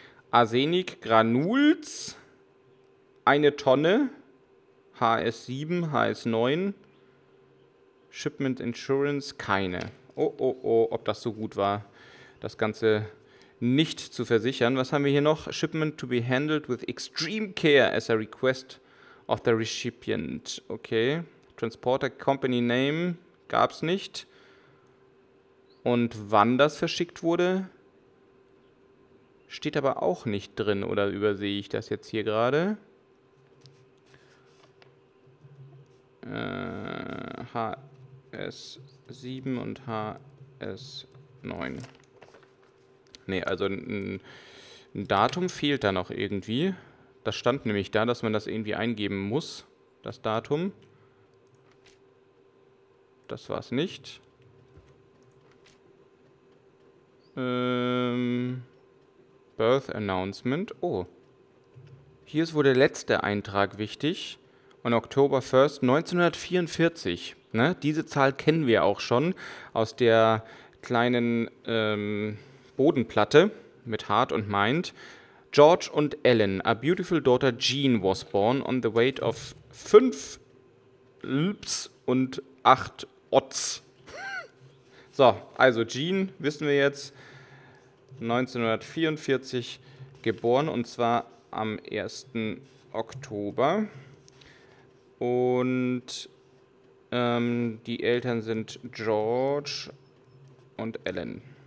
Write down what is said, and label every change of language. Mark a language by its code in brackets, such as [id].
[de] Arsenic Granuls. Eine Tonne. HS7, HS9, Shipment Insurance, keine. Oh, oh, oh, ob das so gut war, das Ganze nicht zu versichern. Was haben wir hier noch? [en] Shipment to be handled with extreme care as a request of the recipient. [de] Okay, Transporter Company Name gab es nicht. Und wann das verschickt wurde, steht aber auch nicht drin, oder übersehe ich das jetzt hier gerade? HS7 und HS9. Ne, also ein Datum fehlt da noch irgendwie. Das stand nämlich da, dass man das irgendwie eingeben muss, das Datum. Das war's nicht. [en] Birth Announcement. Oh. [de] Hier ist wohl der letzte Eintrag wichtig. Und Oktober 1st, 1944. Ne? Diese Zahl kennen wir auch schon aus der kleinen Bodenplatte mit Heart und Mind. [en] George und Ellen, a beautiful daughter Jean was born on the weight of 5 Lbs und 8 Otz. [de] So, also Jean, wissen wir jetzt, 1944 geboren und zwar am 1. Oktober. Und die Eltern sind George und Ellen.